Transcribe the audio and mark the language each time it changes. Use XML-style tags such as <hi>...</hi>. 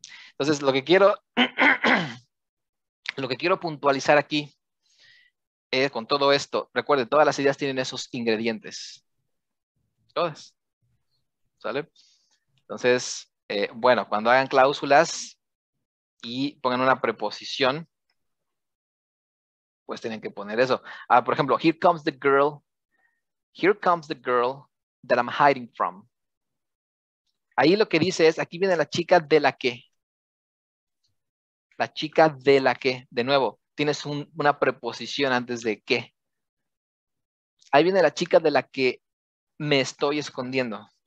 <es>Entonces, lo que quiero puntualizar aquí con todo esto, recuerden, todas las ideas tienen esos ingredientes. Todas. ¿Sale? Entonces, bueno, cuando hagan cláusulas y pongan una preposición, pues tienen que poner eso. Por ejemplo,</es> <en>here comes the girl. Here comes the girl that I'm hiding from.</en> <es>Ahí lo que dice es, aquí viene la chica de la que. La chica de la que. De nuevo, tienes una preposición antes de que. Ahí viene la chica de la que me estoy escondiendo.</es>